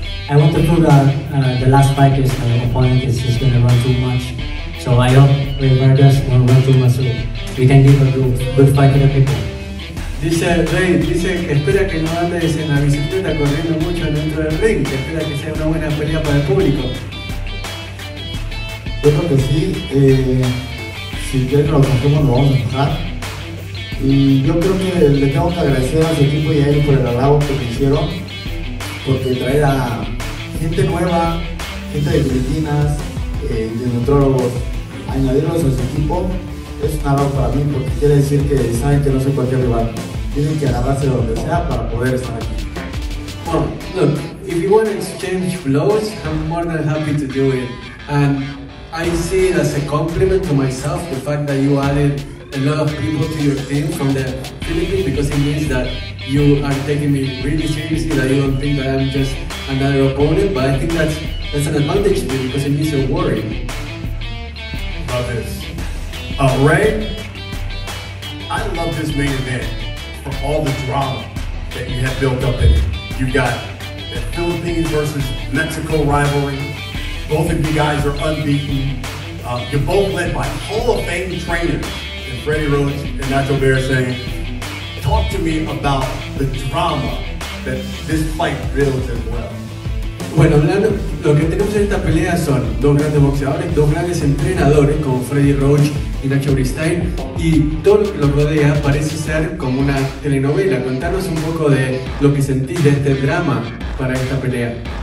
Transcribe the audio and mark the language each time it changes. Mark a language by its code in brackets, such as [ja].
[en] I want to prove that the last fight is my opponent is just going to run too much. So I hope Rey Vargas won't run too much, so we can give a good fight to the people. [es] Dice Rey, dice que espera que no andes en la bicicleta corriendo mucho dentro del ring, que espera que sea una buena pelea para el público. Yo creo que sí, si quiere lo contemos lo vamos a empujar. Y yo creo que le tengo que agradecer a su equipo y a él por el halago que me hicieron, porque traer a gente nueva, gente de Filipinas, de nutrólogos, añadirlos a su equipo, es un halago para mí, porque quiere decir que saben que no soy cualquier rival. Tienen que agarrarse de donde sea para poder estar aquí. [en] Bueno, look, if you want to exchange blows, I'm more than happy to do it. And I see it as a compliment to myself, the fact that you added a lot of people to your team from the Philippines, because it means that you are taking me really seriously, that you don't think that I'm just another opponent, but I think that's an advantage to me because it means you're worried. Love this. Rey, I love this main event for all the drama that you have built up in it. You've got the Philippines versus Mexico rivalry. Both of you guys are unbeaten. You're both led by Hall of Fame trainers in Freddy Roach and Nacho Berasain. Talk to me about the drama that this fight builds as well. [es] Bueno, hablando, lo que tenemos en esta pelea son dos grandes boxeadores, dos grandes entrenadores como Freddy Roach y Nacho Berasain, y todo lo que los rodea parece ser como una telenovela. Contanos un poco de lo que sentís de este drama para esta pelea.